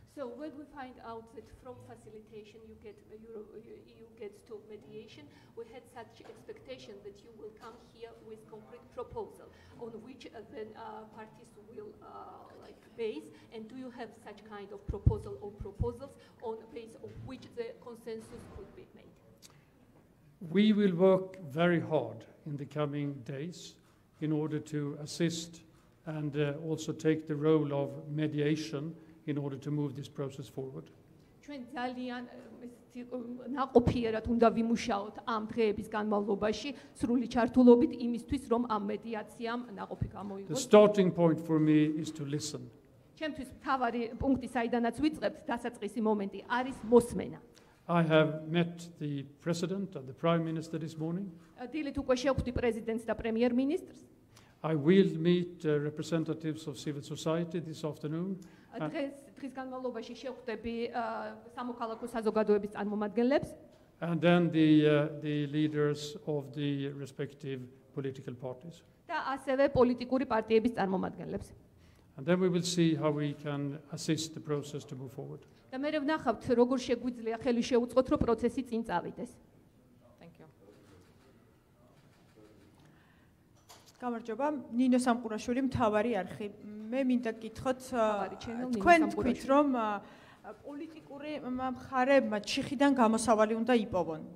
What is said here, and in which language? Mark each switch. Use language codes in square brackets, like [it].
[en] So when we find out that from facilitation you get to mediation, we had such expectation that you will come here with concrete proposal on which then parties will base, and do you have such kind of proposal or proposals on the basis of which the consensus could be made? We will work very hard in the coming days in order to assist and also take the role of mediation in order to move this process forward. [ka] ჩვენ ძალიან ناقოფიერად უნდა ვიმუშაოთ ამ დღეების განმავლობაში სრული ჩართულობით იმისთვის რომ ამ მედიაციამ ناقოფი გამოიღოს. [en] The starting point for me is to listen. [ka] ჩემთვის მთავარი პუნქტი საიდანაც ვიწყებთ დასაწყისი მომენტი არის მოსმენა. [en] I have met the president and the prime minister this morning. [ka] დილით უკვე შევხვდი პრეზიდენტს და პრემიერ მინისტრს. [en] I will meet representatives of civil society this afternoon. [ka] დღის განმავლობაში შევხვდები სამოქალაქო საზოგადოების წარმომადგენლებს. [en] And then the leaders of the respective political parties. [ka] და ასევე პოლიტიკური პარტიების წარმომადგენლებს. [en] And then we will see how we can assist the process to move forward. [ka] და მე ვნახავთ როგორ შეგვიძლია ხელი შეუწყოთ რომ პროცესი წინ წავიდეს. [en] Thank you. [ka] გამარჯობა, ნინო სამყურაშვილი, მთავარი არქი. მე მინდა გითხოთ თქვენ თქვით რომ პოლიტიკური მხარეებმა ჩიხიდან გამოსავალი უნდა იპოვონ.